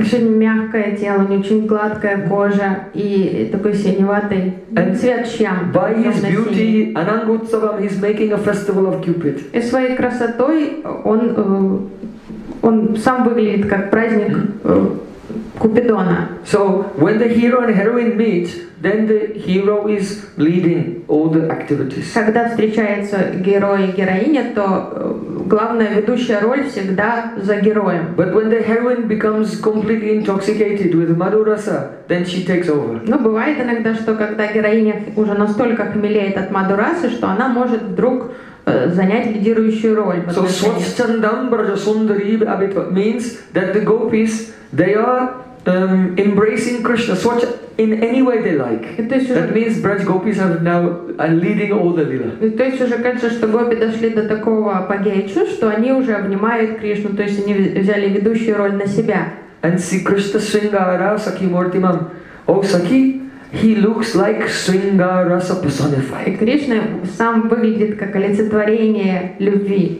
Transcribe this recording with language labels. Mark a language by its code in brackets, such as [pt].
[ru] Очень мягкое тело, не очень гладкая кожа и такой синеватый and цвет шьям. [en] By his beauty, Anangutsavam, he's making a festival of Cupid. [ru] И своей красотой он сам выглядит как праздник Купидона. [en] So when the hero and heroine meet, then the hero is leading all the activities. [ru] Когда встречаются герои и героиня, то главная ведущая роль всегда за героем. [en] But when the heroine becomes completely intoxicated with Madhurasa, then she takes over. [ru] Но бывает иногда, что когда героиня уже настолько хмелеет от Мадхурасы, что она может вдруг занять лидирующую роль. [en] So Swatchandam Brajasundari Abhitva means that the gopis, they are embracing Krishna swatch in any way they like. That means Braj gopis are now leading all the lila. [ru] То есть уже кажется, что гопи дошли до такого апогея, что они уже обнимают Кришну, то есть они взяли ведущую роль на себя. [en] And see Krishna Sringara Sakhi Murtimam. Oh, Sakhi, he looks like Sringa Rasa personified. [ru] Кришна сам выглядит как олицетворение любви.